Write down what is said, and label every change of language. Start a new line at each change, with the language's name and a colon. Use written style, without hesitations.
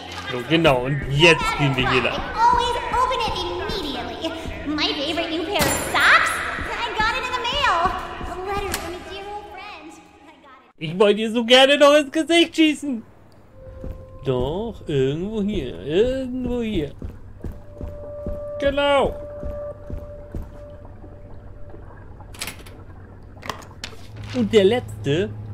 German: So, genau, und jetzt gehen wir hier lang.
English: Always open it immediately. My favorite new pair of socks? I got it in the mail. A letter from a dear old friend. I got it.
German: Ich wollte dir so gerne noch ins Gesicht schießen. Doch, irgendwo hier. Irgendwo hier. Genau. Und der letzte